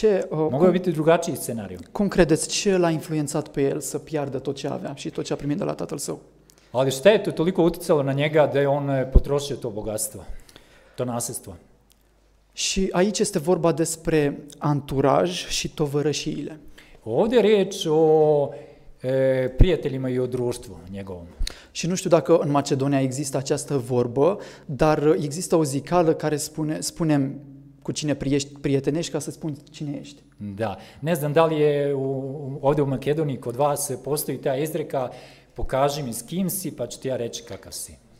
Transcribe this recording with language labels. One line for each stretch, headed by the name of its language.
Serbian: Mogu je biti drugačiji scenariju.
Romanian: Cum credeți ce l-a influențat pe el să piardă tot ce avea și tot ce a primit de la tatăl său?
Serbian: Ali šta je to toliko uticalo na njega da je on potrošio to bogatstvo, to nasljedstvo?
Romanian: Și aici este vorba despre anturaj și tovărășiile.
Serbian: Ovdje je riječ o prijateljima i o društvu njegovom.
Romanian: Și nu știu dacă în Macedonia există această vorbă, dar există o zicală care spune cu cine prietenești ca să spun cine ești.
Serbian: Da, ne znam da li je ovdje u Makedoniji kod vas postoji ta izreka pokaži mi s kim si, pa ću ti ja reći kakav si.